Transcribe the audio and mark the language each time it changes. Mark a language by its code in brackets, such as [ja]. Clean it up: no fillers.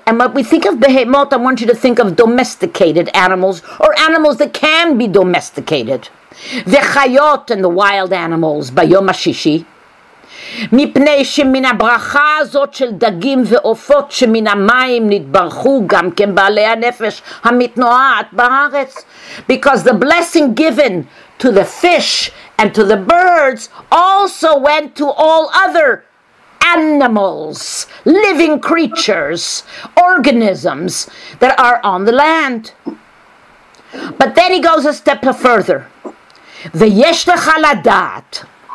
[en] And when we think of behemot, I want you to think of domesticated animals or animals that can be domesticated. The chayot and the wild animals by Yom HaShishi. [he] מפני שמן הברכה הזאת של דגים ועופות שמן המים נתברכו גם כן בעלי הנפש המתנועת בארץ. [en] Because the blessing given to the fish and to the birds also went to all other animals, living creatures, organisms that are on the land. But then he goes a step further. [he] ויש לך לדעת.